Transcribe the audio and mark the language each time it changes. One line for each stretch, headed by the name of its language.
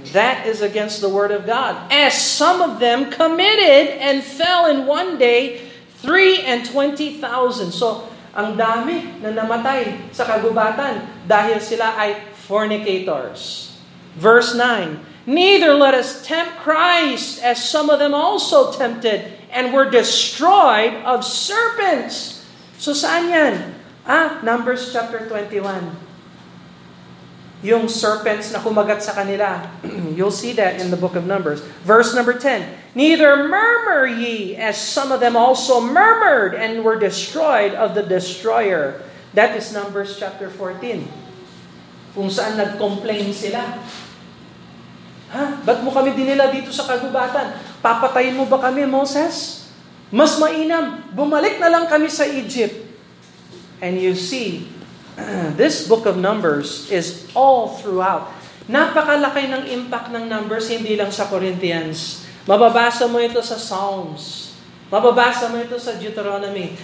English: That is against the word of God. As some of them committed and fell in one day, 23,000.
Filipino: So, ang dami na namatay sa kagubatan dahil sila ay fornicators.
English: Verse 9, neither let us tempt Christ, as some of them also tempted and were destroyed of serpents.
Filipino: So saan yan? Numbers chapter 21. Yung serpents na humagat sa kanila.
English: You'll see that in the book of Numbers. Verse number 10. Neither murmur ye, as some of them also murmured and were destroyed of the destroyer. That is Numbers chapter 14.
Filipino: Kung saan nag-complain sila. Ba't mo kami dinila dito sa kagubatan? Papatayin mo ba kami, Moses? Mas mainam, bumalik na lang kami sa Egypt.
English: And you see, this book of Numbers is all throughout.
Filipino: Napakalaki ng impact ng Numbers, hindi lang sa Corinthians. Mababasa mo ito sa Psalms. Mababasa mo ito sa Deuteronomy.